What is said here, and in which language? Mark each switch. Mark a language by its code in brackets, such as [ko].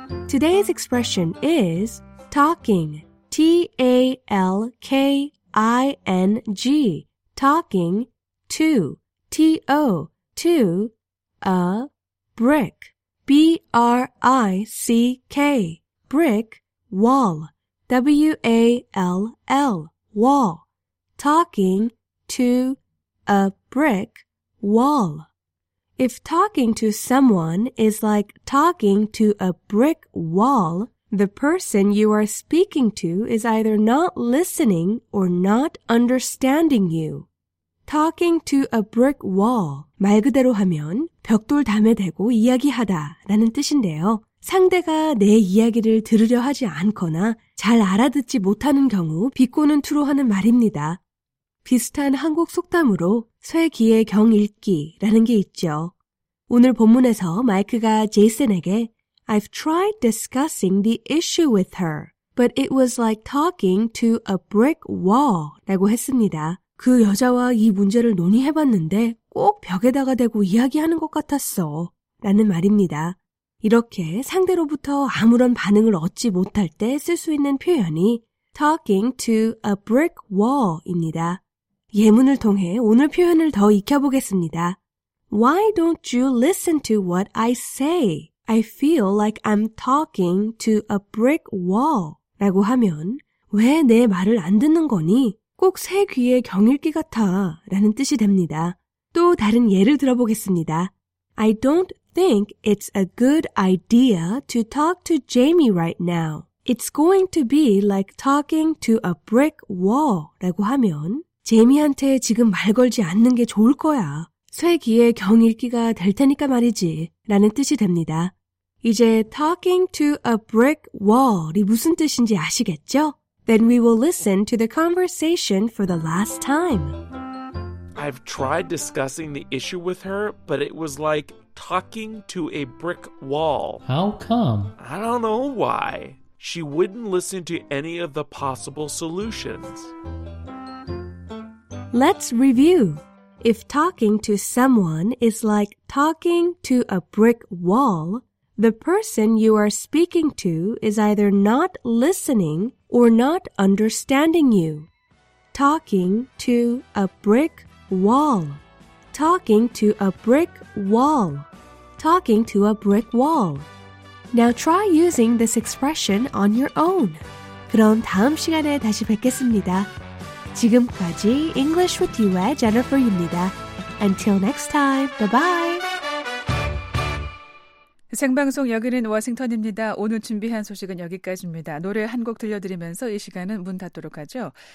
[en] Today's expression is talking, T-A-L-K-I-N-G, talking to, T-O, to a brick, B-R-I-C-K, brick, wall, W-A-L-L, wall, talking to a brick wall. If talking to someone is like talking to a brick wall, the person you are speaking to is either not listening or not understanding you. Talking to a brick wall. [ko] 말 그대로 하면 벽돌 담에 대고 이야기하다 라는 뜻인데요. 상대가 내 이야기를 들으려 하지 않거나 잘 알아듣지 못하는 경우 비꼬는 투로 하는 말입니다. 비슷한 한국 속담으로 쇠 귀에 경 읽기라는 게 있죠. 오늘 본문에서 마이크가 제이슨에게 [en] I've tried discussing the issue with her, but it was like talking to a brick wall [ko] 라고 했습니다. 그 여자와 이 문제를 논의해봤는데 꼭 벽에다가 대고 이야기하는 것 같았어 라는 말입니다. 이렇게 상대로부터 아무런 반응을 얻지 못할 때 쓸 수 있는 표현이 talking to a brick wall입니다. 예문을 통해 오늘 표현을 더 익혀보겠습니다. [en] Why don't you listen to what I say? I feel like I'm talking to a brick wall. [ko] 라고 하면 왜 내 말을 안 듣는 거니? 꼭 새 귀에 경읽기 같아 라는 뜻이 됩니다. 또 다른 예를 들어보겠습니다. [en] I don't think it's a good idea to talk to Jamie right now. It's going to be like talking to a brick wall. [ko] 라고 하면 제이미한테 지금 말 걸지 않는 게 좋을 거야. 쇠 귀에 경 읽기가 될 테니까 말이지 라는 뜻이 됩니다. 이제 talking to a brick wall이 무슨 뜻인지 아시겠죠? [en] Then we will listen to the conversation for the last time. I've tried discussing the issue with her, but it was like talking to a brick wall. How come? I don't know why. She wouldn't listen to any of the possible solutions. Let's review. If talking to someone is like talking to a brick wall, the person you are speaking to is either not listening or not understanding you. Talking to a brick wall. Talking to a brick wall. Talking to a brick wall. Now try using this expression on your own. [ko] 그럼 다음 시간에 다시 뵙겠습니다. 지금까지 English with you의 Jennifer입니다. [en] Until next time, bye-bye. [ko] 생방송 여기는 워싱턴입니다. 오늘 준비한 소식은 여기까지입니다. 노래 한 곡 들려드리면서 이 시간은 문 닫도록 하죠.